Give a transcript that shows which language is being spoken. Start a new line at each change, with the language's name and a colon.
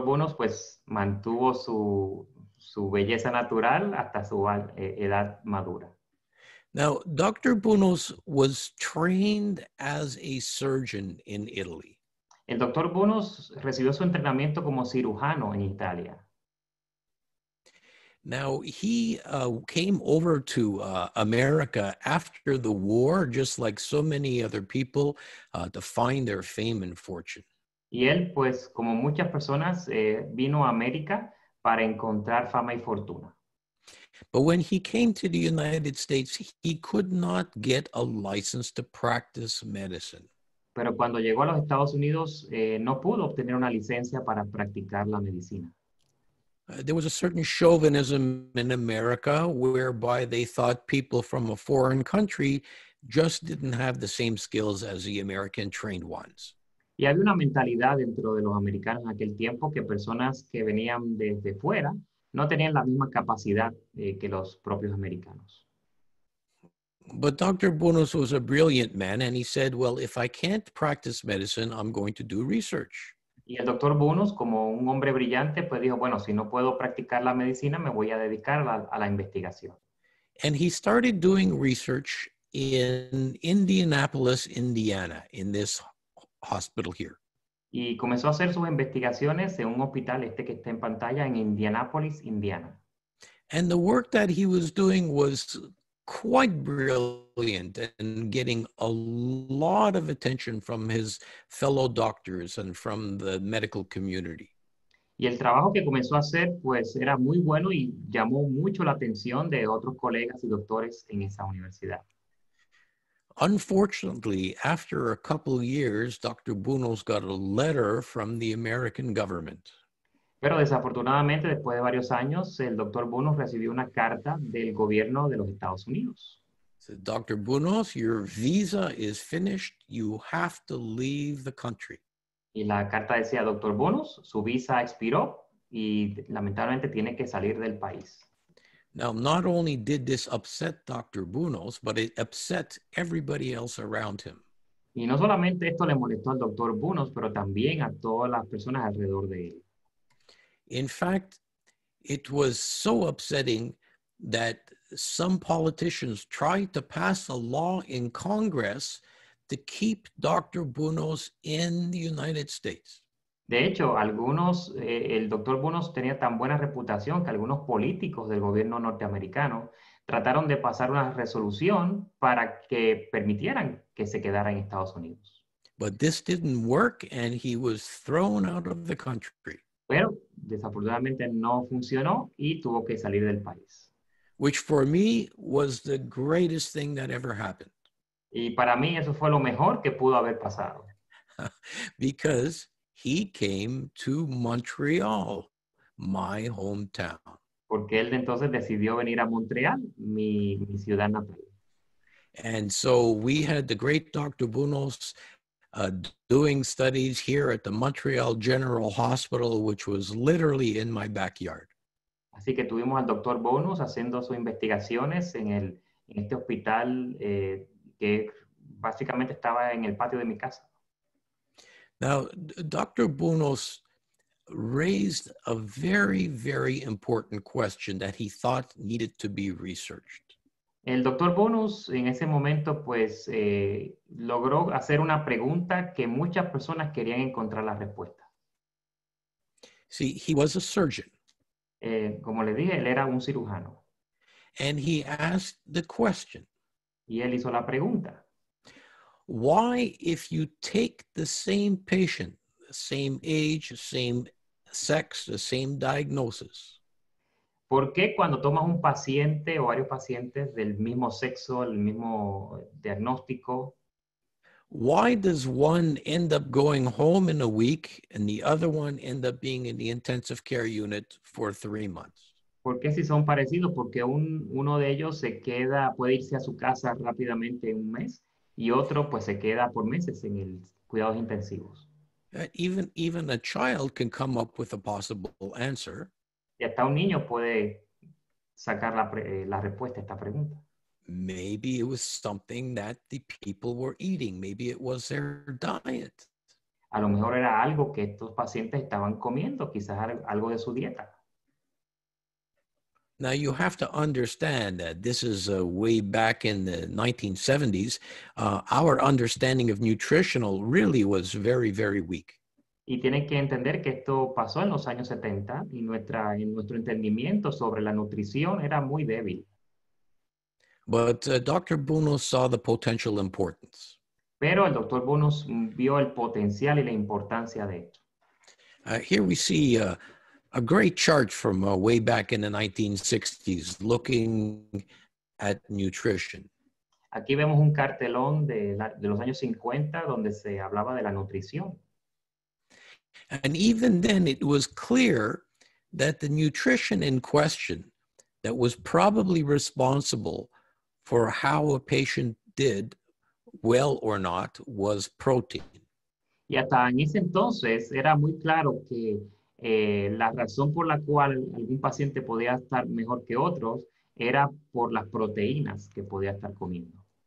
Spanish: Bounus pues mantuvo su belleza natural hasta su edad madura.
English: Now, Dr. Bounus was trained as a surgeon in Italy.
Spanish: El Dr. Bounus recibió su entrenamiento como cirujano en Italia.
English: Now, he came over to America after the war, just like so many other people, to find their fame and fortune.
Spanish: Y él, pues, como muchas personas, vino a América para encontrar fama y fortuna.
English: But when he came to the United States, he could not get a license to practice medicine.
Spanish: Pero cuando llegó a los Estados Unidos, no pudo obtener una licencia para practicar la medicina.
English: There was a certain chauvinism in America whereby they thought people from a foreign country just didn't have the same skills as the American trained ones.
Spanish: Y había una mentalidad dentro de los americanos en aquel tiempo que personas que venían desde fuera no tenían la misma capacidad que los propios americanos.
English: But Dr. Bounus was a brilliant man and he said, well, if I can't practice medicine, I'm going to do research.
Spanish: Y el Dr. Bounus, como un hombre brillante, pues dijo, bueno, si no puedo practicar la medicina, me voy a dedicar a la investigación.
English: And he started doing research in Indianapolis, Indiana, in this hospital here.
Spanish: Y comenzó a hacer sus investigaciones en un hospital este que está en pantalla en Indianapolis, Indiana.
English: And the work that he was doing was quite brilliant and getting a lot of attention from his fellow doctors and from the medical community.
Spanish: Y el trabajo que comenzó a hacer, pues, era muy bueno y llamó mucho la atención de otros colegas y doctores en esa universidad.
English: Unfortunately, after a couple of years, Dr. Bounus got a letter from the American government.
Spanish: Pero desafortunadamente, después de varios años, el Dr. Bounus recibió una carta del gobierno de los Estados Unidos.
English: Said, Dr. Bounus, your visa is finished. You have to leave the country.
Spanish: Y la carta decía, Dr. Bounus, su visa expiró y lamentablemente tiene que salir del país.
English: Now, not only did this upset Dr. Bounus, but it upset everybody else around him.
Spanish: Y no solamente esto le molestó al Dr. Bounus, pero también a todas las personas alrededor de él.
English: In fact, it was so upsetting that some politicians tried to pass a law in Congress to keep Dr. Bounus in the United States.
Spanish: De hecho, algunos, el Dr. Bounus tenía tan buena reputación que algunos políticos del gobierno norteamericano trataron de pasar una resolución para que permitieran que se quedara en Estados Unidos.
English: But this didn't work and he was thrown out of the country.
Spanish: Pero desafortunadamente no funcionó y tuvo que salir del país.
English: Which for me was the greatest thing that ever happened.
Spanish: Y para mí eso fue lo mejor que pudo haber pasado.
English: Because he came to Montreal, my hometown.
Spanish: Porque él entonces decidió venir a Montreal, mi ciudad natal.
English: And so we had the great Dr. Bounus doing studies here at the Montreal General Hospital, which was literally in my backyard.
Spanish: Así que tuvimos al Dr. Bounus haciendo sus investigaciones en este hospital que básicamente estaba en el patio de mi casa.
English: Now, Dr. Bounus raised a very, very important question that he thought needed to be researched.
Spanish: El Dr. Bounus en ese momento, pues, logró hacer una pregunta que muchas personas querían encontrar la respuesta.
English: See, he was a surgeon.
Spanish: Como le dije, él era un cirujano.
English: And he asked the question.
Spanish: Y él hizo la pregunta.
English: Why, if you take the same patient, the same age, the same sex, the same diagnosis?
Spanish: ¿Por qué cuando tomas un paciente o varios pacientes del mismo sexo, el mismo diagnóstico?
English: Why does one end up going home in a week and the other one end up being in the intensive care unit for 3 months?
Spanish: ¿Por qué si son parecidos? Porque uno de ellos se queda, puede irse a su casa rápidamente en un mes. Y otro, pues, se queda por meses en el cuidados intensivos.
English: Even a child can come up with a possible answer.
Spanish: Y hasta un niño puede sacar la respuesta a esta pregunta.
English: Maybe it was something that the people were eating. Maybe it was their diet.
Spanish: A lo mejor era algo que estos pacientes estaban comiendo, quizás algo de su dieta.
English: Now, you have to understand that this is way back in the 1970s. Our understanding of nutritional really was very, very weak.
Spanish: Y tienen que entender que esto pasó en los años 70 y nuestro entendimiento sobre la nutrición era muy débil.
English: But Dr. Bounus saw the potential importance.
Spanish: Pero el Dr. Bounus vio el potencial y la importancia de esto.
English: Here we see a great chart from way back in the 1960s, looking at nutrition.
Spanish: Aquí vemos un cartelón de los años 50 donde se hablaba de la nutrición.
English: And even then, it was clear that the nutrition in question that was probably responsible for how a patient did well or not was protein.
Spanish: Y hasta en ese entonces era muy claro que la razón por la cual algún paciente podía estar mejor que otros era por las proteínas que podía estar comiendo.